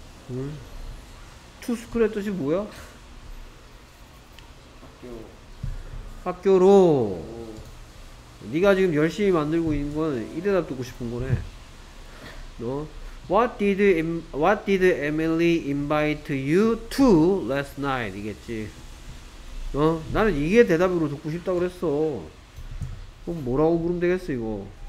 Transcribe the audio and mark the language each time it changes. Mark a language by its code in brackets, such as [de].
[ko] 어. 투스쿨의 뜻이 뭐야? 학교. 학교로. 오. 네가 지금 열심히 만들고 있는 건 이 대답 듣고 싶은 거네. 너 [en] What did Emily invite you to last night? [ko] 이겠지. 어? 나는 이게 대답으로 듣고 싶다 그랬어. 그럼 뭐라고 부르면 되겠어 이거?